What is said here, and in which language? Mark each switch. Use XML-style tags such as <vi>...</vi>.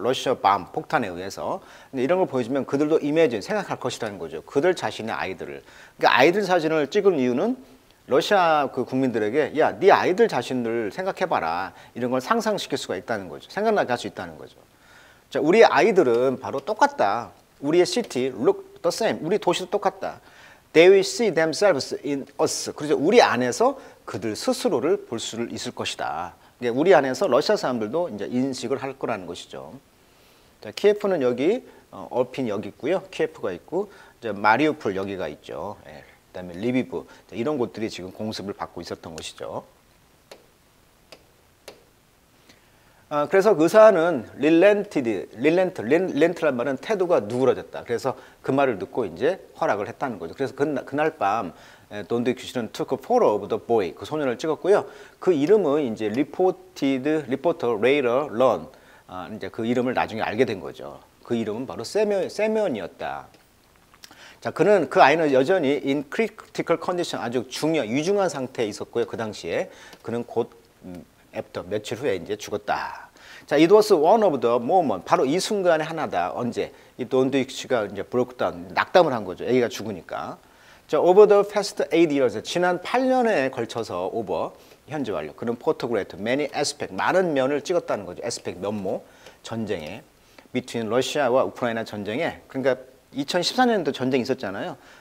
<ko>러시아 밤 폭탄에 의해서 근데 이런 걸 보여주면 그들도 이미지 생각할 것이라는 거죠. 그들 자신의 아이들을 그러니까 아이들 사진을 찍은 이유는 러시아 그 국민들에게 야, 네 아이들 자신들 생각해봐라 이런 걸 상상시킬 수가 있다는 거죠. 생각나게 할 수 있다는 거죠. 자, 우리의 아이들은 바로 똑같다. 우리의</ko> <en>city look the same.</en> <ko>우리 도시도 똑같다.</ko> <en>They will see themselves in us.</en> <ko>그렇죠. 우리 안에서 그들 스스로를 볼 수 있을 것이다. 우리 안에서 러시아 사람들도 이제 인식을 할 거라는 것이죠. 자, 키예프는 여기, 얼핀 여기 있고요. 키예프가 있고, 이제 마리우폴 여기가 있죠. 예, 그다음에 리비브 자, 이런 곳들이 지금 공습을 받고 있었던 것이죠. 그래서 의사는 릴렌트란 말은 태도가 누그러졌다. 그래서 그 말을 듣고 이제 허락을 했다는 거죠. 그래서 그날 밤 돈드큐 씨는</ko> <en>took a photo of the boy,</en> <ko>그 소년을 찍었고요. 그 이름은 이제 리포터 레이러 런 이제 그 이름을 나중에 알게 된 거죠. 그 이름은 바로 세면이었다. 자, 그는 그 아이는 여전히</ko> <en>in critical condition,</en> <ko>아주 유중한 상태에 있었고요. 그 당시에 그는 곧 after 며칠 후에 이제 죽었다.</ko> <en>자, it was one of the moment,</en> <ko>바로 이 순간에 하나다. 언제 이 돈드큐 씨가 이제 브로크다운 낙담을 한 거죠. 애기가 죽으니까.</ko> <en>자, over the past 8 years,</en> <ko>지난 8년에 걸쳐서</ko> <en>over,</en> <ko>현재 완료. 그는</ko> <en>photographed many aspects,</en> <ko>많은 면을 찍었다는 거죠. aspect, 면모, 전쟁에. between 러시아와 우크라이나 전쟁에. 그러니까 2014년도 전쟁이 있었잖아요.</ko>